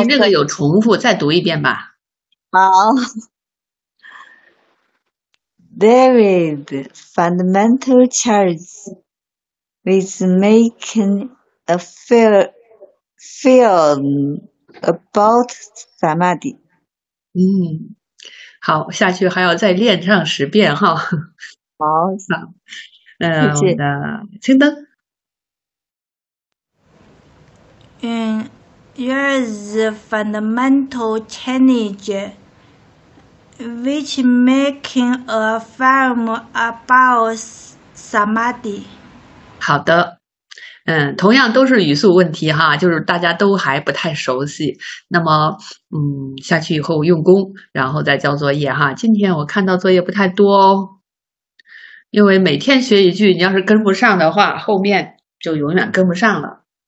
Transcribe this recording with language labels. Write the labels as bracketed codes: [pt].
[zh] 您这个有重复，再读一遍吧。好。 [en] There is fundamental charge with making a film about 萨玛迪。 [zh] 嗯，好，下去还要再练上十遍哈。好，好，嗯，谢谢。我的青灯。 [en] Here is the fundamental change which making a film about samadhi. [zh] 好的，嗯，同样都是语速问题哈，就是大家都还不太熟悉。那么，嗯，下去以后用功，然后再交作业哈。今天我看到作业不太多哦，因为每天学一句，你要是跟不上的话，后面就永远跟不上了。